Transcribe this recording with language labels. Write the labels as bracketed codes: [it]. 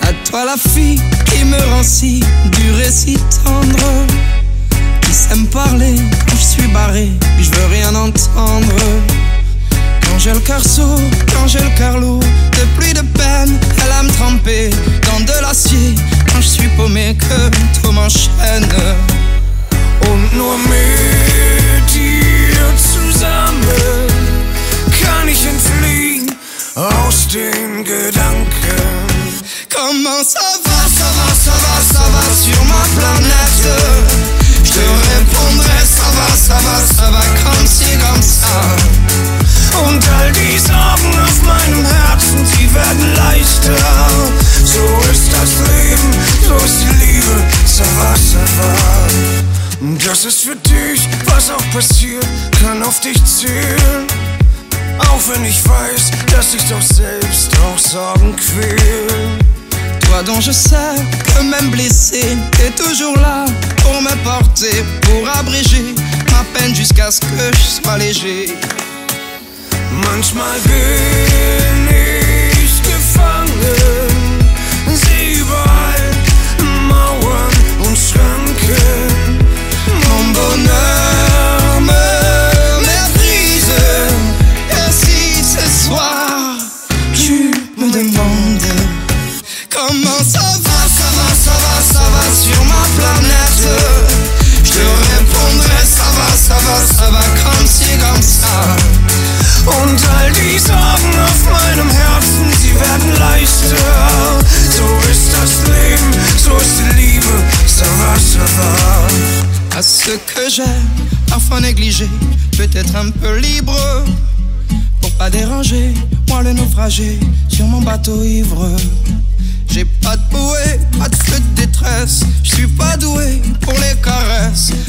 [fr] toi la fille qui me rend si dur et si tendre, qui sait me parler quand je suis barré, puis je veux rien entendre. Quand j'ai le cœur sourd, quand j'ai le cœur lourd, de pluie de peine, elle a me trempé dans de l'acier. Quand je suis paumé, que tout m'enchaîne. [de] Und nur mit dir zusammen kann ich entfliehen aus den Gedanken. [fr] Comment ça va, ça va, ça va, ça va sur ma planète? Je te répondrai, ça va, ça va, ça va, comme si, comme ça. [de] Und all die Sorgen auf meinem Herzen, sie werden leichter. So ist das Leben, so ist die Liebe, [fr] ça va, ça va. [de] Das ist für dich, was auch passiert, kann auf dich zählen. Auch wenn ich weiß, dass dich doch selbst auch Sorgen quälen. [fr] Toi dont je sais que même blessé, t'es toujours là pour me porter, pour abréger ma peine jusqu'à ce que je sois léger. [de] Manchmal bin ich gefangen, sehe überall Mauern und Schranken. [fr] Mon bonheur me méprise, et si ce soir tu me demandes comment ça va, ça va, ça va, ça va sur ma planète, je te répondrai ça va, ça va, ça va comme si, comme ça. [de] Und all die Sorgen auf meinem Herzen, sie werden leichter. So ist das Leben, so ist die Liebe, [fr] ça va, ça va. À ce que j'aime, parfois négligé, peut-être un peu libre, pour pas déranger, moi le naufragé, sur mon bateau ivre. J'ai pas de bouée, pas de feu de détresse, je suis pas doué pour les caresses.